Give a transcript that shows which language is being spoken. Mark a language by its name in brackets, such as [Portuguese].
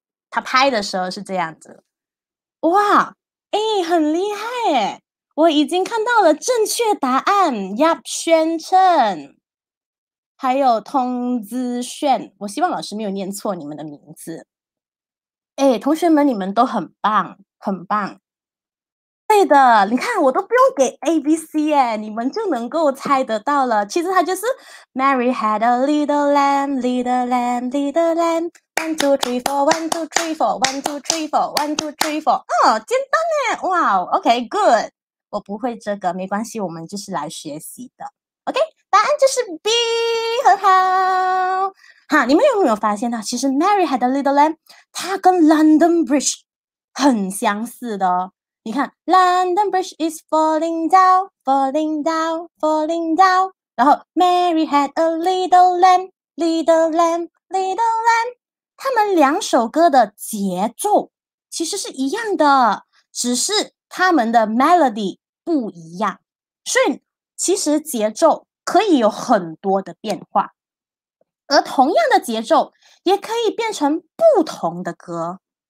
[Chinese] 他拍的时候是这样子，哇，哎，很厉害耶，我已经看到了正确答案 ，Yap 宣称，还有通知炫，我希望老师没有念错你们的名字。哎，同学们，你们都很棒，很棒。对的，你看我都不用给 A B C 耶，你们就能够猜得到了。其实它就是 [English] Mary had a little lamb, little lamb, little lamb。 One, two, three, four, one, two, three, four, one, two, three, four, one, two, three, four. [Chinese] 哦，简单耶，哇、OK, good. 我不会这个，没关系，我们就是来学习的。 OK, 答案就是 B, 很好。好，你们有没有发现到，其实 Mary had a little lamb, 它跟 London Bridge 很相似的哦。你看 [English] ,London Bridge is falling down, falling down, falling down. [Chinese] 然后 [English] Mary had a little lamb, little lamb, little lamb. [Chinese] 他们两首歌的节奏其实是一样的，只是他们的 melody 不一样。所以其实节奏可以有很多的变化，而同样的节奏也可以变成不同的歌。